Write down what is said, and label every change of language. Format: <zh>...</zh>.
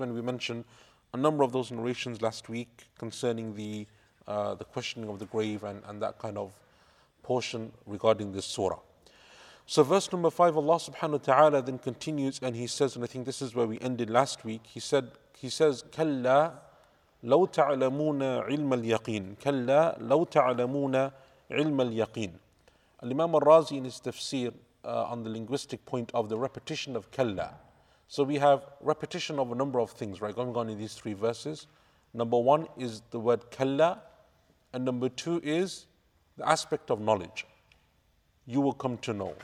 <en>And we mentioned a number of those narrations last week concerning the questioning of the grave and that kind of portion regarding this surah. So verse number 5, Allah subhanahu wa ta'ala then continues and he says, and I think this is where we ended last week, he says, Kalla.</en> <ar>لو تعلمون علم اليقين كلا لو تعلمون علم اليقين.</ar> <en>Imam al-Razi in his tafsir on the linguistic point of the repetition of kalla. So we have repetition of a number of things, right? Going on in these three verses. Number one is the word kalla, and number two is the aspect of knowledge. You will come to know.</en>